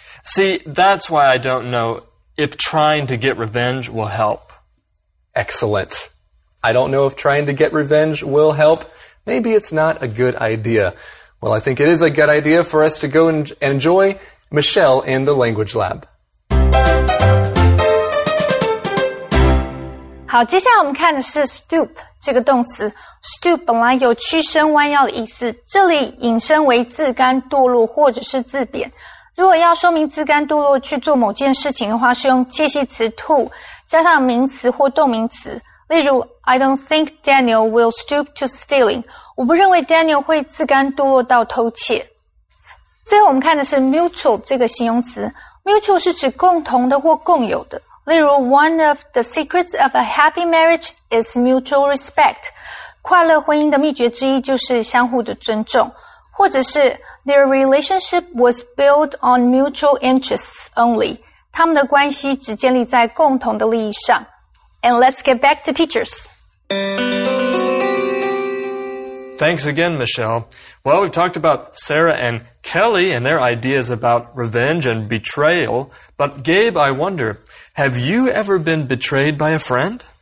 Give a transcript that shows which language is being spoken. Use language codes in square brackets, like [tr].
[en] See, that's why I don't know if trying to get revenge will help. Excellent. I don't know if trying to get revenge will help. Maybe it's not a good idea. Well, I think it is a good idea for us to go and enjoy Michelle in the language lab. [zh] 好，接下来我们看的是 stoop 这个动词。stoop 本来有屈身弯腰的意思，这里引申为自甘堕落或者是自贬。如果要说明自甘堕落去做某件事情的话，是用介系词 to 加上名词或动名词。例如 [en] ，I don't think Daniel will stoop to stealing。 [zh] 我不认为 Daniel 会自甘堕落到偷窃。最后我们看的是 mutual 这个形容词。 Mutual 是指共同的或共有的。例如 [en] ，One of the secrets of a happy marriage is mutual respect。 [zh] 快乐婚姻的秘诀之一就是相互的尊重，或者是。 [en] Their relationship was built on mutual interests only. [zh] 他们的关系只建立在共同的利益上。 [en] And let's get back to teachers. Thanks again, Michelle. Well, we've talked about Sarah and Kelly and their ideas about revenge and betrayal. But Gabe, I wonder, have you ever been betrayed by a friend?